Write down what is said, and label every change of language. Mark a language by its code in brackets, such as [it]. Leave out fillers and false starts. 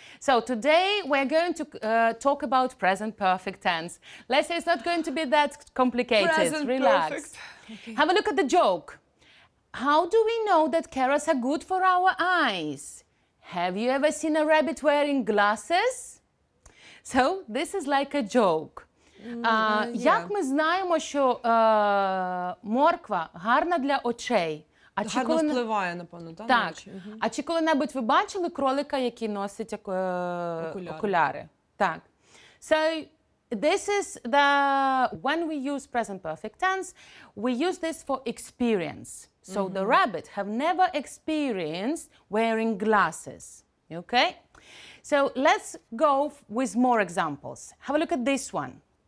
[en] So today we're going to talk about present perfect tense. Let's say it's not going to be that complicated. Present Relax. Perfect. Okay. Have a look at the joke. How do we know that carrots are good for our eyes? Have you ever seen a rabbit wearing glasses? So this is like a joke. [uk] Як ми знаємо, що морква гарна для очей? Гарно впливає, напевно, так? Так. А чи коли-небудь ви бачили кролика, який носить окуляри? Так. [en] So, this is the... When we use present perfect tense, we use this for experience. So, mm-hmm. the rabbit have never experienced wearing glasses. Okay? So let's go with more examples. Have a look at this one.